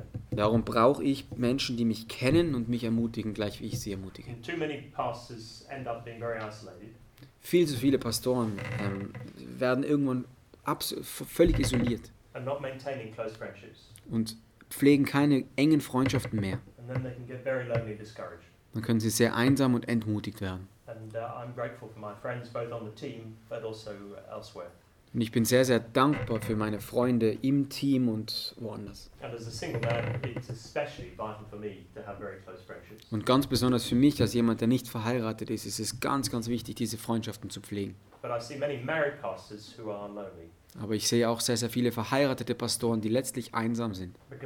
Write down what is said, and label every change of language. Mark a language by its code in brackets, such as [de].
[de] Darum brauche ich Menschen, die mich kennen und mich ermutigen, gleich wie ich sie ermutige. [en] Too many pastors end up being very isolated. [de] Viel zu viele Pastoren werden irgendwann völlig isoliert. [en] And not maintaining close friendships. [de] Und pflegen keine engen Freundschaften mehr. [en] And then they can get very lonely and discouraged. [de] Dann können sie sehr einsam und entmutigt werden. [en] And I'm grateful for my friends both on the team but also elsewhere. [de] Und ich bin sehr, sehr dankbar für meine Freunde im Team und woanders. [en] And as a single man, it's especially vital for me to have very close friendships. [de] Und ganz besonders für mich als jemand, der nicht verheiratet ist, ist es ganz, ganz wichtig, diese Freundschaften zu pflegen. [en] But I see many married pastors who are lonely. [de] Aber ich sehe auch sehr, sehr viele verheiratete Pastoren, die letztlich einsam sind.